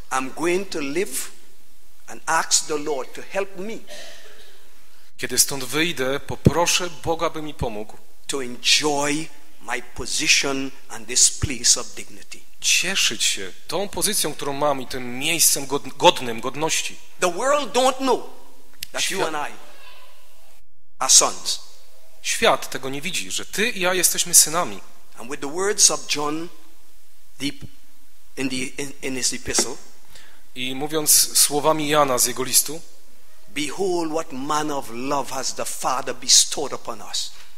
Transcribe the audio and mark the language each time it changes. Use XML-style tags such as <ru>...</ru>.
<en>I'm going to live and ask the Lord to help me.</en> <pl>Kiedy stąd wyjdę, poproszę Boga, by mi pomógł.</pl> <en>To enjoy my position and this place of dignity.</en> <pl>Cieszyć się tą pozycją, którą mam i tym miejscem godnym godności.</pl> <en>The world don't know that you and I are sons.</en> <pl>Świat tego nie widzi, że ty i ja jesteśmy synami.</pl> <en>And with the words of John deep in his epistle.</en> <pl>I mówiąc słowami Jana z jego listu.</pl> <en>Behold what manner of love has the Father bestowed upon us.</en>